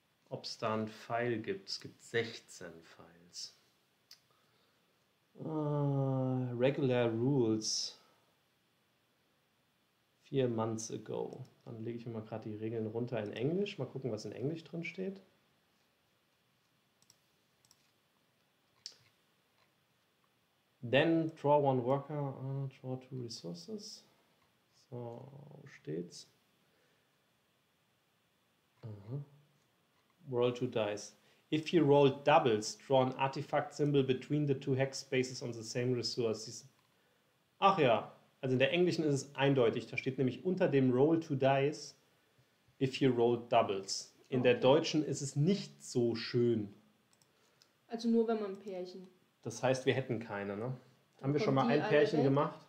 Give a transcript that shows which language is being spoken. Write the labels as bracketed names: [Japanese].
[German] Ob es da ein Pfeil gibt. Es gibt 16 Pfeils. [English] Regular Rules. 4 months ago. [German] Dann lege ich mir mal gerade die Regeln runter in Englisch. Mal gucken, was in Englisch drin steht. [English] Then draw one worker, draw two resources. [German] So, wo steht's? [English] Roll two dice. If you roll doubles, draw an artifact symbol between the two hex spaces on the same resources. [German] Ach ja, also in der Englischen ist es eindeutig. Da steht nämlich unter dem [English] roll two dice, if you roll doubles. [German] In der Deutschen ist es nicht so schön. Also nur wenn man ein Pärchen. Das heißt, wir hätten keine, ne? Haben wir schon mal ein Pärchen gemacht?